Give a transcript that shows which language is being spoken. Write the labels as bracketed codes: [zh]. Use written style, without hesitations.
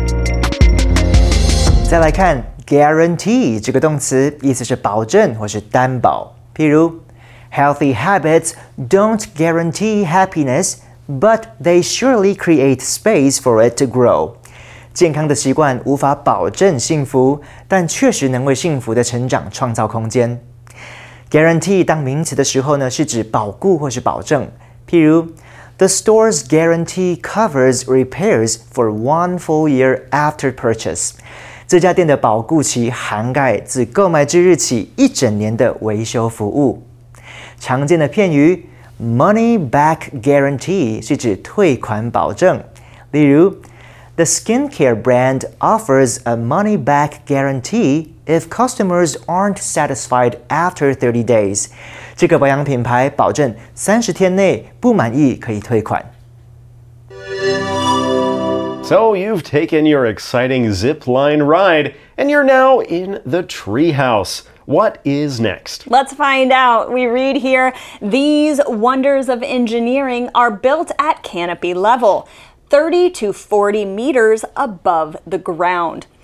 [en] Let's look at guarantee. This word means [zh] 保证或是担保. [en] For example, healthy habits don't guarantee happiness, but they surely create space for it to grow. [zh] 健康的习惯无法保证幸福，但确实能为幸福的成长创造空间。 Guarantee 当名词的时候呢，是指保固或是保证。譬如 [en] ，The store's guarantee covers repairs for one full year after purchase. [zh] 这家店的保固期涵盖自购买之日起一整年的维修服务。常见的片语。Money back guarantee 是指退款保证。例如 [en] ，The skincare brand offers a money back guarantee if customers aren't satisfied after 30 days。 [zh] 这个保养品牌保证30天内不满意可以退款。 [en] So you've taken your exciting zip line ride and you're now in the treehouse. What is next? Let's find out. We read here, these wonders of engineering are built at canopy level, 30 to 40 meters above the ground.